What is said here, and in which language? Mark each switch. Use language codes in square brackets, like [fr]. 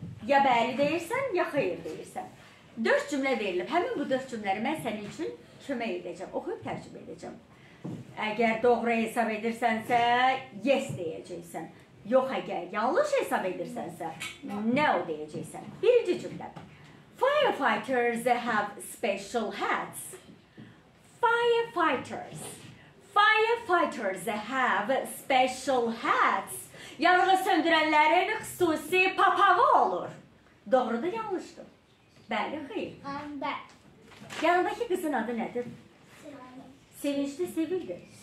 [az] Ya bəli deyirsən, ya xeyir deyirsən. 4 cümlə verilib. Həmin bu 4 cümləri mən sənin üçün kömək edəcəm. Oxuyub tərcümə edəcəm. Əgər doğru hesab edirsənsə, yes deyəcəksən. Yox əgər yanlış hesab edirsənsə, no deyəcəksən. Birinci cümlə. [en] Firefighters have special hats. Firefighters. Firefighters have special hats. [az] Yanğı söndürənlərin xüsusi papağı olur. Doğrudur, yanlışdır. Bəli, xeyir. Yanındakı qızın adı nədir? Sevinçli, sevildi.